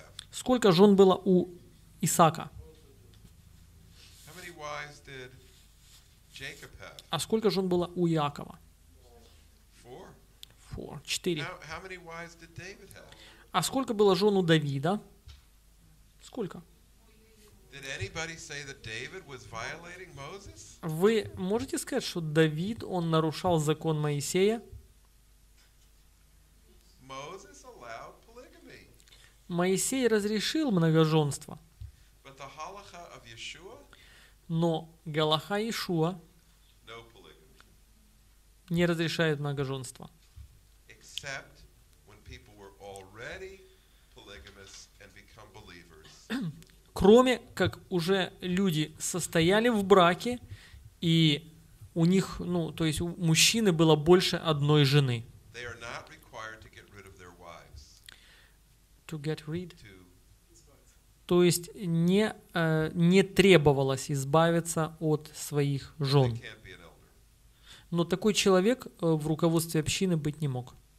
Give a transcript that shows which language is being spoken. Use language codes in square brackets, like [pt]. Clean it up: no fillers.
[ru] Сколько жен было у Исаака? [en] How many wives did Jacob have? [ru] А сколько жен было у Иакова? [en] Four. [ru] Четыре. [en] How many wives did David have? [ru] А сколько было жен у Давида? Сколько? [en] Did anybody say that David was violating Moses? [ru] Вы можете сказать, что Давид, он нарушал закон Моисея? [en] Moses allowed polygamy. [ru] Моисей разрешил многоженство. [en] But the halacha of Yeshua? [ru] Но галаха Иешуа [en] no polygamy. [ru] Не разрешает многоженство. [en] Except when people were already polygamous and become believers. [ru] Кроме как уже люди состояли в браке, и у них, ну, то есть у мужчины было больше одной жены. [en] They are not required to get rid of their wives. To get rid? To... [ru] То есть не, не требовалось избавиться от своих жен. [en] They can't be an elder. [ru] Но такой человек в руководстве общины быть не мог.